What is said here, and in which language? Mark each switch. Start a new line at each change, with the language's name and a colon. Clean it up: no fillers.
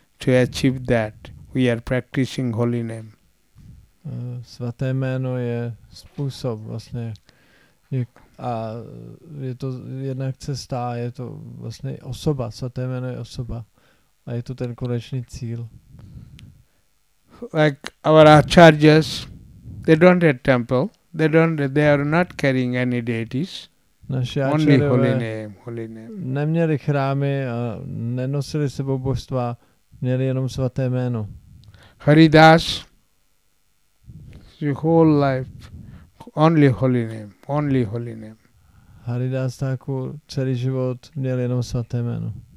English: To achieve that, we are practicing holy name.
Czech: Svaté jméno je způsob vlastně a je to jedna cesta, je to vlastně osoba, svaté jméno je osoba a je to ten konečný cíl.
English: Like our acharyas, they don't have temple, they are not carrying any deities.
Czech: Naši
English: only holy name.
Czech: Neměli chrámy a nenosili sebou božstva, měli jenom svaté jméno.
English: Haridas, your whole life, only holy name.
Czech: Haridas Thakur celý život měl jenom svaté jméno.